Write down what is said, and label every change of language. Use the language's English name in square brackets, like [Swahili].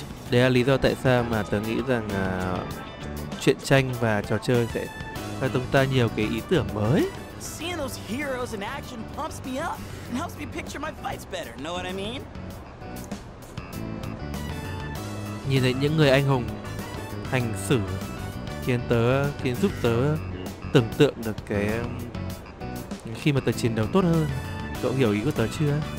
[Vietnamese] Đấy là lý do tại sao mà tớ nghĩ rằng truyện tranh và trò chơi sẽ cho chúng ta nhiều cái ý tưởng mới. [English] Seeing those heroes in action pumps me up and helps me picture my fights better. Know what I mean? [Vietnamese] Nhìn thấy những người anh hùng hành xử khiến giúp tớ tưởng tượng được cái khi mà tớ chiến đấu tốt hơn. Cậu hiểu ý của tớ chưa?